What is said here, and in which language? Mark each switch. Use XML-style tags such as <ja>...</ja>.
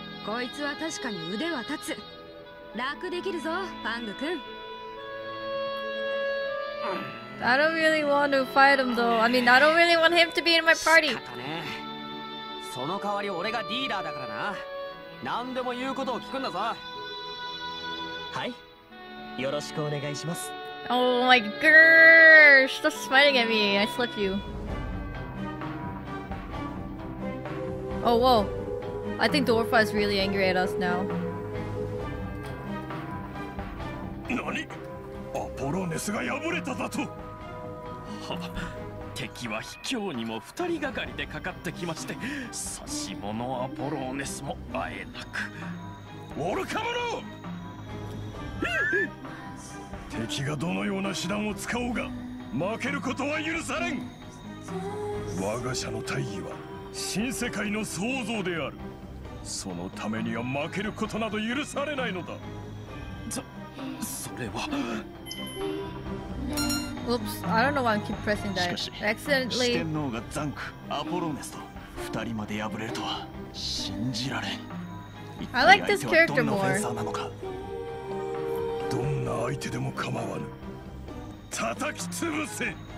<ja>こいつは確かに腕は立つ。楽できるぞ、パング君。</ja> <en>I don't really want to fight him though. I mean, I don't really want him to be in my party.</en> <ja>仕方ね。その代わり俺がリーダーだからな。何でも言うことを聞くんだぞ。はい。よろしくお願いします。</ja> <en>Oh my gosh! Stop smiling at me! I slipped you. Oh whoa! I think Dorfa is really angry at us now.</en> <ja>Nani? Apollonius が敗れただと。は、敵は卑怯にも二人がかりでかかってきまして、差し物アポロネスも会えなく。愚か者！敵がどのような手段を使おうが負けることは許されん。我が社の大義は新世界の創造である。そのためには負けることなど許されないのだ。それは</ja> <en>Oops, I don't know why I keep pressing that.</en> <ja>しかし、四天王がザンク、アポロネスと二人まで敗れるとは信じられん。</ja> <en>I like this character more.</en> <ja>どんな相手でも構わぬ。叩き潰せ。</ja>